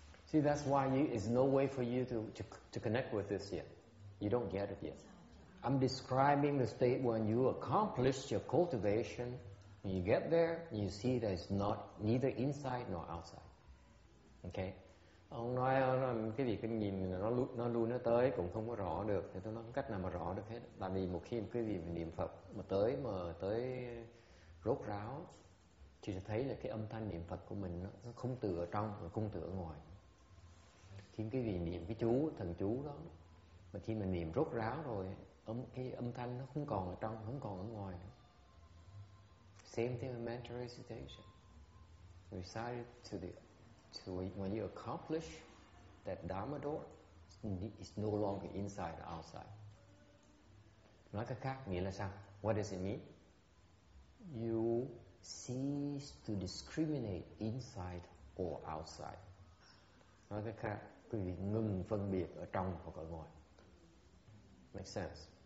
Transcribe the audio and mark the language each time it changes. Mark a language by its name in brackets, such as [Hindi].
[English] See, that's why it's no way for you to connect with this yet. You don't get it yet. I'm describing the state when you accomplish your cultivation, and you get there, you see that it's not neither inside nor outside. Okay? [Vietnamese] Ông nói cái gì cái nhìn nó luôn nó tới cũng không có rõ được. Thì tôi nói cách nào mà rõ được hết. Tại vì một khi cái gì niệm Phật mà tới rốt ráo, thì sẽ thấy là cái âm thanh niệm Phật của mình nó không từ ở trong mà không từ ở ngoài. Khi cái gì niệm cái chú, thần chú đó, mà khi mình niệm rốt ráo rồi, cái âm thanh nó không còn ở trong, không còn ở ngoài nữa. [English] Same thing with mental recitation. Recited to when you accomplish that Dharma door, it's no longer inside or outside. [Vietnamese] Nói cách khác, nghĩa là sao? [English] What does it mean? You cease to discriminate inside or outside. [Vietnamese] Nói cách khác, quý vị ngừng phân biệt ở trong hoặc ở ngoài. [English] Make sense?